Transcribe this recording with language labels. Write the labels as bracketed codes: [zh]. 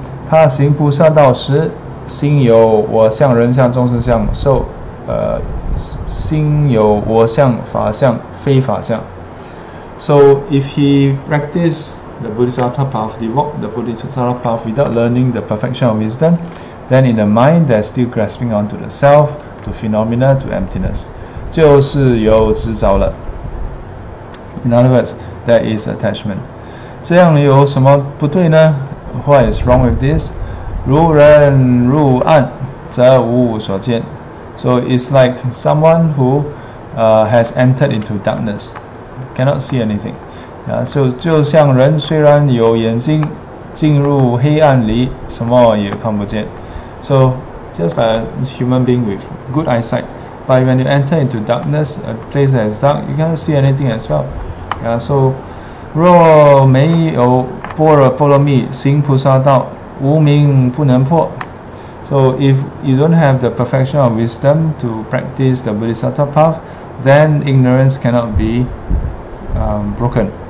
[zh] 他行菩萨道时，心有我相、人相、众生相、寿，心有我相、法相、非法相。 [en] So if he practice the Bodhisattva path, he walk the Bodhisattva path without learning the perfection of wisdom, then in the mind, there's still grasping onto the self, to phenomena, to emptiness. [zh] 就是有执着了。 [en] In other words, that is attachment. [zh] 这样有什么不对呢？ [en] What is wrong with this? [zh] 如人如案，则无我所见。 [en] So it's like someone who has entered into darkness, cannot see anything. [zh] 就像人虽然有眼睛，进入黑暗里，什么也看不见。 [en] So just a human being with good eyesight, but when you enter into darkness, a place that is dark, you cannot see anything as well. [zh] So 若没有般若波罗蜜，行菩萨道，无明不能破。 [en] So if you don't have the perfection of wisdom to practice the Bodhisattva path, then ignorance cannot be broken.